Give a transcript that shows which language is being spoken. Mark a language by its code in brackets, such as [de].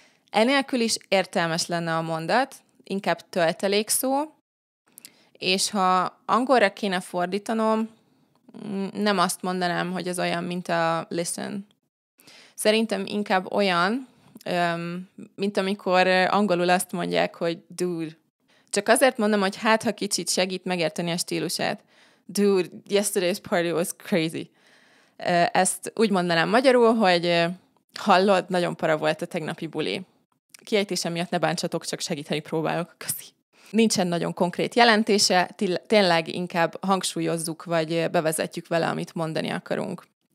[hu] Enélkül is értelmes lenne a mondat, inkább töltelékszó, és ha angolra kéne fordítanom, nem azt mondanám, hogy ez olyan, mint a listen. Szerintem inkább olyan, mint amikor angolul azt mondják, hogy dude. Csak azért mondom, hogy hát, ha kicsit segít megérteni a stílusát. [en] Dude, yesterday's party was crazy. [hu] Ezt úgy mondanám magyarul, hogy hallod, nagyon para volt a tegnapi buli. Kiejtésem miatt ne bántsatok, csak segíteni próbálok. Köszi. Nincsen nagyon konkrét jelentése, tényleg inkább hangsúlyozzuk, vagy bevezetjük vele, amit mondani akarunk.